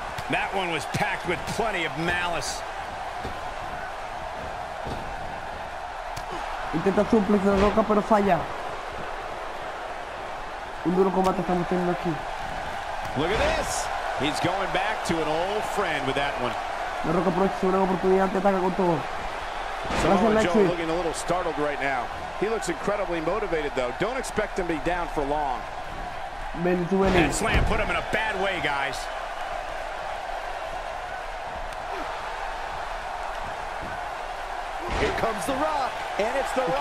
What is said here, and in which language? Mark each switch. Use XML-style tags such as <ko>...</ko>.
<en>That one was packed with plenty of malice.</en> <es>Intenta suplex de La Roca, pero falla. Un duro combate estamos teniendo aquí.</es> <en>Look at this. He's going back to an old friend with that one.</en> <es>La Roca aprovecha una oportunidad y ataca con todo.</es> <en>Samoa Joe looking a little startled right now. He looks incredibly motivated, though. Don't expect him to be down for long. Belly-to-belly. That slam put him in a bad way, guys. Here comes The Rock. And it's The Rock</en>